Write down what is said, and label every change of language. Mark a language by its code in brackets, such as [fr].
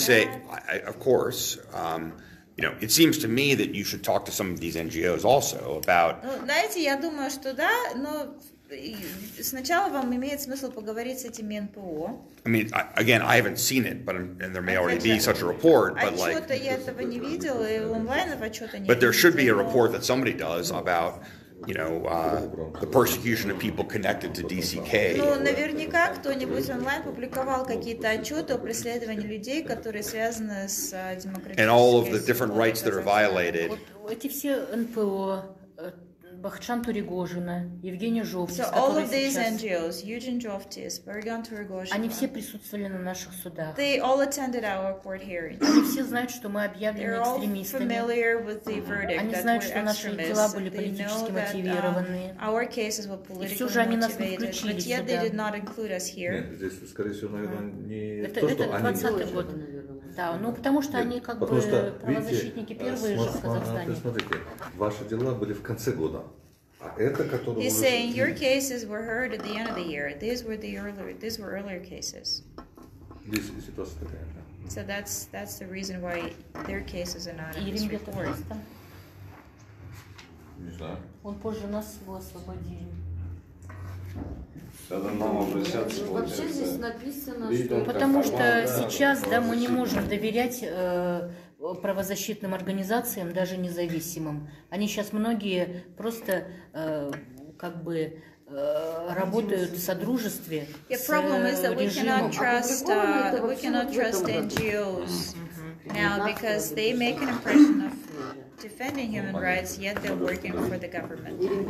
[en] Say, I, of course, you know, it seems to me that you should talk to some of these NGOs also about. [ru] Знаете, я думаю, что да, но сначала вам имеет смысл поговорить с этими НПО. [en] I mean, again, I haven't seen it, but and there may already be such a report, but like. [ru] Отчета я этого не видел, и онлайнов отчета нет. [en] But there should be a report that somebody does about. You know, the persecution of people connected to DCK. [ru] Ну, наверняка кто-нибудь онлайн публиковал какие-то отчеты о преследовании людей, которые связаны с демократической. [en] And all of the different rights that are violated. [ru] Вот эти все НПО, Бахчан Туригожина, Евгений Жовтис. [en] So all of these NGOs, Eugene Жовтис, Бахчан Туригожина. [ru] Они все присутствовали на наших судах. [en] They all attended our court hearings. [ru] Они все знают, что мы объявлены экстремистами. [en] They're all familiar with the verdict. [ru] Они знают, что наши дела были политически мотивированы. [en] Our cases were politically motivated. [ru] И все же они нас не включили сюда. [en] But yet they did not include us here. [ru] Нет, здесь, скорее всего, наверное, не то, что они. Это 20-й год. Да, ну потому что они как потому бы что, правозащитники первые же в Казахстане. То есть, смотрите, ваши дела были в конце года, а это, которое [en] вы... He's saying, your cases were heard at the end of the year. These were earlier cases. [ru] Здесь ситуация такая, да. [en] So that's the reason why their cases are not in this report. [ru] Не знаю. Он позже нас его освободили. Вообще здесь написано, что... Потому что сейчас да, мы не можем доверять правозащитным организациям, даже независимым. Они сейчас многие просто как бы работают в содружестве с режимом. [en] We cannot trust NGOs now because they make an impression of defending human rights, yet they're working for the government.